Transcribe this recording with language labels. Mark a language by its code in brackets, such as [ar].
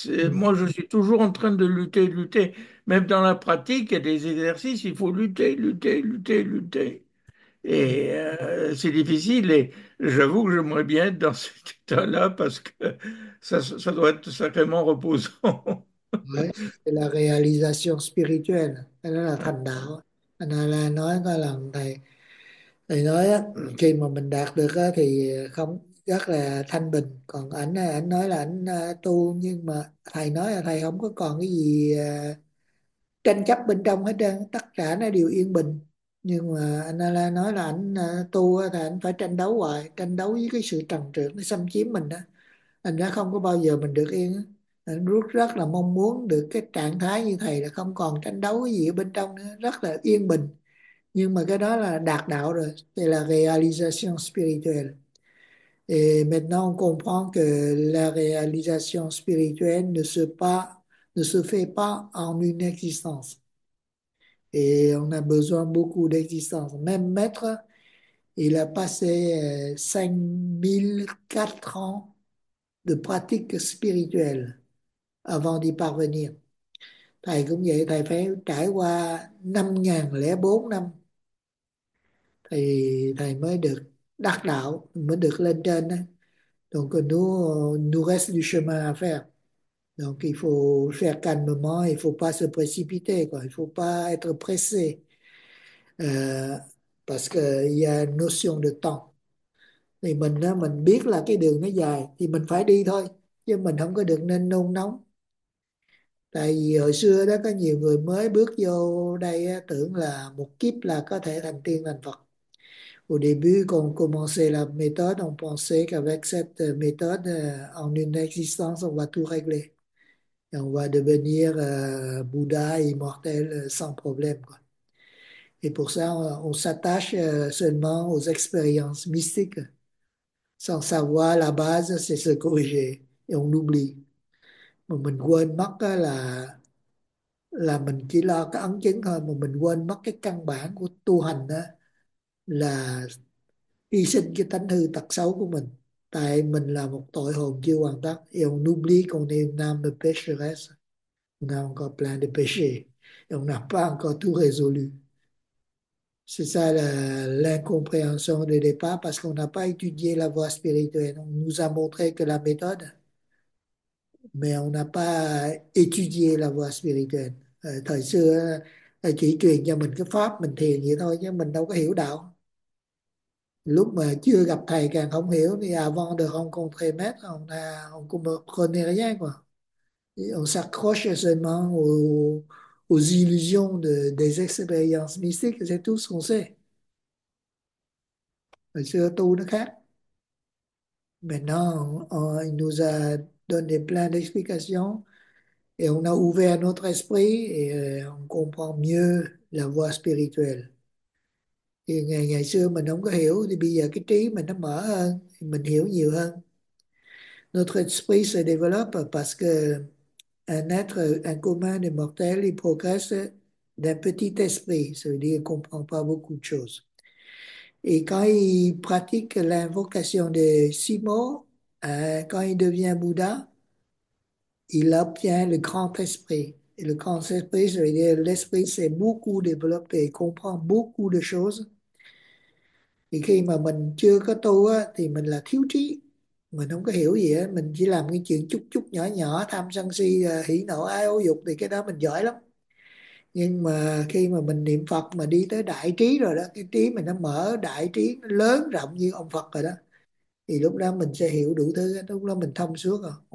[fr] Moi, je suis toujours en train de lutter, lutter. Même dans la pratique, il y a des exercices, il faut lutter, lutter, lutter, lutter. Et c'est difficile. Et j'avoue que j'aimerais bien être dans cet état-là parce que ça doit être sacrément reposant. Ouais, c'est la réalisation spirituelle, elle là [vi] thành đạo. Anh là nói có lần thầy thầy nói á, khi mà mình đạt được á, thì không rất là thanh bình, còn ảnh nói là ảnh tu, nhưng mà thầy nói là thầy không có còn cái gì tranh chấp bên trong hết trơn, tất cả nó đều yên bình. Nhưng mà anh là nói là ảnh tu á, thì ảnh phải tranh đấu hoài, tranh đấu với cái sự trần trược nó xâm chiếm mình đó, anh đã không có bao giờ mình được yên đó. Rất là mong muốn được cái trạng thái như thầy, là không còn tranh đấu gì ở bên trong nữa, rất là yên bình. Nhưng mà cái đó là đạt đạo rồi, thì là [fr] realization spirituelle. Et maintenant on comprend que la realization spirituelle ne se fait pas en une existence. Et on a besoin beaucoup d'existence. Même maître, il a passé 5004 ans de pratique spirituelle avant d'y parvenir. [vi] Thầy cũng vậy, thầy phải trải qua 5004 năm thì thầy mới được đắc đạo, mới được lên trên đó. [fr] Donc nous reste du chemin à faire. Donc il faut faire calmement, il faut pas se précipiter quoi, il faut pas être pressé. Parce que il y a une notion de temps. [vi] Thì mình biết là cái đường nó dài thì mình phải đi thôi, chứ mình không có được nên nôn nóng. Tại vì hồi xưa đó có nhiều người mới bước vô đây á, tưởng là một kiếp là có thể thành tiên thành Phật. [fr] Au début, quand on commençait la méthode, on pensait qu'avec cette méthode, en une existence, on va tout régler. Et on va devenir Bouddha immortel sans problème, quoi. Et pour ça, on s'attache seulement aux expériences mystiques, sans savoir la base, c'est se corriger. Et on oublie. [vi] Mà mình quên mất là mình chỉ lo cái ấn chứng thôi, mà mình quên mất cái căn bản của tu hành đó là hy sinh cái tánh hư tật xấu của mình, tại mình là một tội hồn chưa hoàn tất. [fr] Et on oublie qu'on est une âme pécheresse, on a encore plein de péchés, et on n'a pas encore tout résolu. C'est ça l'incompréhension de départ, parce qu'on n'a pas étudié la voie spirituelle. On nous a montré que la méthode, mais on n'a pas étudié la voie spirituelle. [vi] Thời xưa chỉ truyền cho mình cái pháp mình thiền vậy thôi, chứ mình đâu có hiểu đạo. Lúc mà chưa gặp thầy càng không hiểu, thì [fr] avant de rencontrer maître, on ne connaît rien quoi. Et on s'accroche seulement aux illusions des expériences mystiques, c'est tout ce qu'on sait. [vi] Thời xưa tu nó khác. [fr] Maintenant, il nous a donné plein d'explications et on a ouvert notre esprit et on comprend mieux la voie spirituelle. [vi] Et ngày xưa mình không có hiểu, thì bây giờ cái trí mình nó mở hơn, thì mình hiểu nhiều hơn. [fr] Notre esprit se développe parce que un être, un commun des mortels, il progresse d'un petit esprit, ça veut dire qu'il comprend pas beaucoup de choses. Et quand il pratique l'invocation des six mots, quand il devient Bouddha, il obtient le grand esprit. Et le grand esprit, ça veut dire l'esprit s'est beaucoup développé, comprend beaucoup de choses. [vi] Et khi mà mình chưa có tu á, thì mình là thiếu trí, mình không có hiểu gì á, mình chỉ làm cái chuyện chút chút nhỏ nhỏ, tham sân si, hỷ nộ ái ố dục, thì cái đó mình giỏi lắm. Nhưng mà khi mà mình niệm Phật mà đi tới đại trí rồi đó, cái trí mình nó mở, đại trí nó lớn rộng như ông Phật rồi đó, thì lúc đó mình sẽ hiểu đủ thứ, lúc đó mình thông suốt rồi.